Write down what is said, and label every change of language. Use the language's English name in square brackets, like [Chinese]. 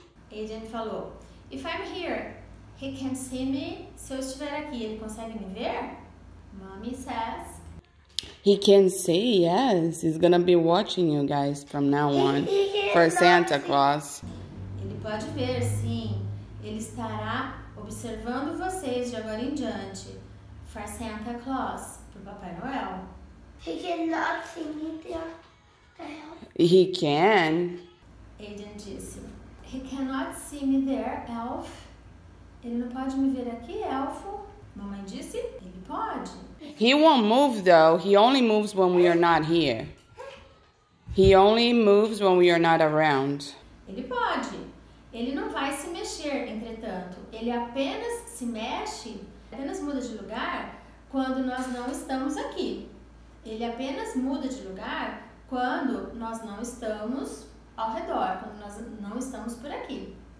[English] Aiden [Portuguese] falou, [English] if I'm here, he can see me. [Portuguese] Se eu estiver aqui, ele consegue me ver? [English] Mommy says. He can see, yes. He's gonna be watching you guys from now on for Santa Claus. [Portuguese] Ele pode ver, sim. Ele estará observando vocês de agora em diante [English] for Santa Claus, [Portuguese] pro Papai Noel. [English] He cannot see me there. He can. Aiden [Portuguese] disse, [English] he cannot see me there, elf. [Portuguese] Ele não pode me ver aqui, elfo. Mamãe disse, ele pode. [English] He won't move, though. He only moves when we are not here. He only moves when we are not around. [Portuguese] Ele pode. Ele não vai se mexer, entretanto. Ele apenas se mexe, apenas muda de lugar quando nós não estamos aqui. Ele apenas muda de lugar quando nós não estamos ao redor, quando nós não estamos por aqui.